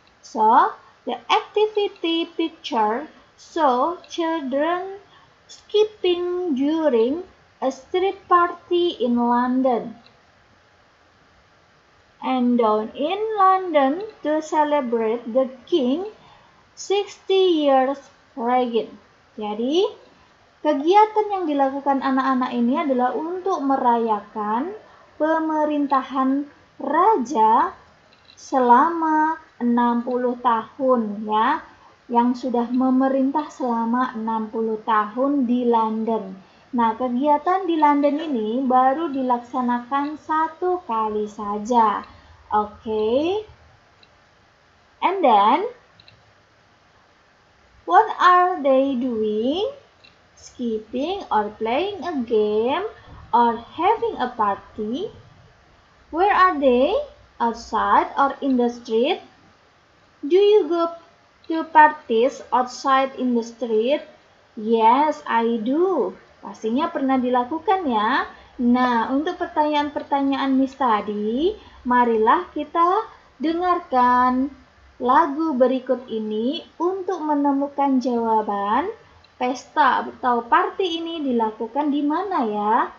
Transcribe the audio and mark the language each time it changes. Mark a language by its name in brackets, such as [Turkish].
[English] So, the activity picture show children skipping during a street party in London and down in London to celebrate the King 60 years reign. [Indonesian] Jadi, kegiatan yang dilakukan anak-anak ini adalah untuk merayakan pemerintahan raja selama 60 tahun ya, yang sudah memerintah selama 60 tahun di London. Nah, kegiatan di London ini baru dilaksanakan satu kali saja. Okay. [English] And then, what are they doing? Skipping or playing a game or having a party? Where are they? Outside or in the street? Do you go to parties outside in the street? Yes, I do. [Indonesian] Pastinya pernah dilakukan ya. Nah, untuk pertanyaan-pertanyaan Miss tadi, marilah kita dengarkan lagu berikut ini untuk menemukan jawaban pesta atau party ini dilakukan di mana ya.